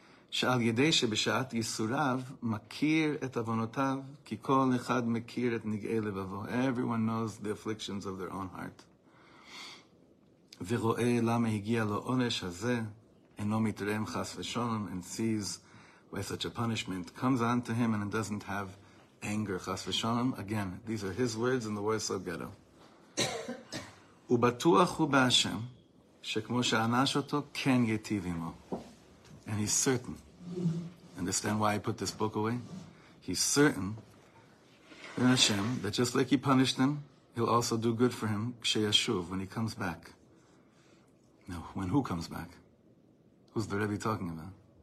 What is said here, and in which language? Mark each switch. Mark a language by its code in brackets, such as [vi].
[he] שעל ידי שבשעת יסוריו מכיר את עוונותיו, כי כל אחד מכיר את נגעי לבבו. [en] Everyone knows the afflictions of their own heart. [he] ורואה למה הגיע לו עונש הזה, אינו מתרם חס ושלום, [en] and sees why such a punishment comes on to him and doesn't have anger, חס ושלום. Again, these are his words in the Warsaw ghetto. [he] ובטוח הוא בהשם, שכמו שענש אותו, כן יטיב עמו. [en] And he's certain. Understand why I put this book away? He's certain in Hashem that just like he punished him, he'll also do good for him kshayashuv, when he comes back. Now, when who comes back? Who's the Rebbe talking about?